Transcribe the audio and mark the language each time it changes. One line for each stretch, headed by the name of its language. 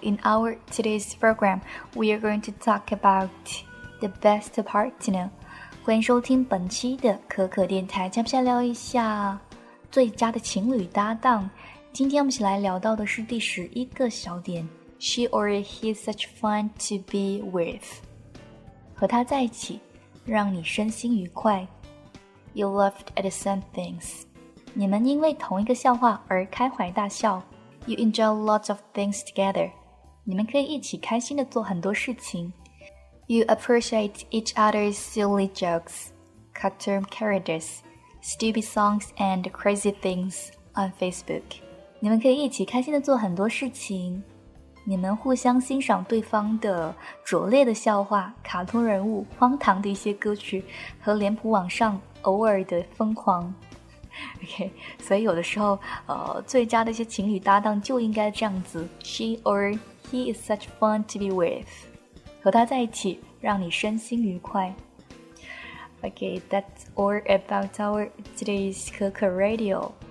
English: In our today's program, we are going to talk about the best part, you know.
Chinese: 欢迎收听本期的可可电台，接下来聊一下最佳的情侣搭档。今天我们先来聊到的是第十一个小点 ，
English: She or he is such fun to be with，
Chinese: 和他在一起，让你身心愉快。
English: You laughed at the same things，
Chinese: 你们因为同一个笑话而开怀大笑。
English: You enjoy lots of things together，
Chinese: 你们可以一起开心地做很多事情。
English: You appreciate each other's silly jokes, cartoon characters, stupid songs, and crazy things on Facebook.
Chinese: 你们可以一起开心地做很多事情。你们互相欣赏对方的拙劣的笑话、卡通人物、荒唐的一些歌曲和脸谱网上偶尔的疯狂。 OK, 所以有的时候最佳的一些情侣搭档就应该这样子。
English: She or he is such fun to be with.
Chinese: 和他在一起，让你身心愉快。
English: Okay, that's all about our today's Coco Radio.